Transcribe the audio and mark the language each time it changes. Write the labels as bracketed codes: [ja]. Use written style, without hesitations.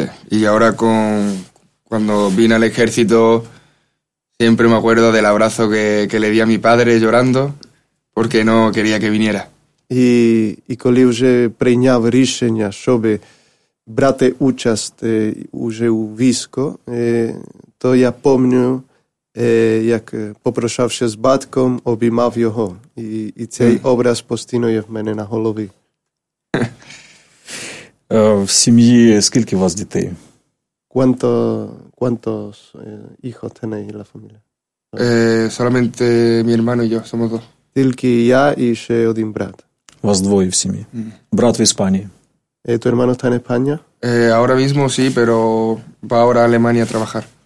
[es] Y ahora cuando vine al ejército siempre me acuerdo del abrazo que le di a mi padre llorando porque no quería que viniera. [uk] І коли вже прийняв рішення, щоб брати участь уже у війську, то я пам'ятаю, як попрощався з батьком, обіймав його. І цей образ постійно є в мене на голові. В сім'ї скільки у вас дітей? [es] Quantos hijos tenéis la familia? Solamente mi hermano y yo, somos dos. [uk] Тільки я і ще один брат. У вас двоє в сім'ї. Брат в Іспанії. [es] ¿Tu hermano está en España? Ahora mismo sí, pero va ahora a Alemania a trabajar.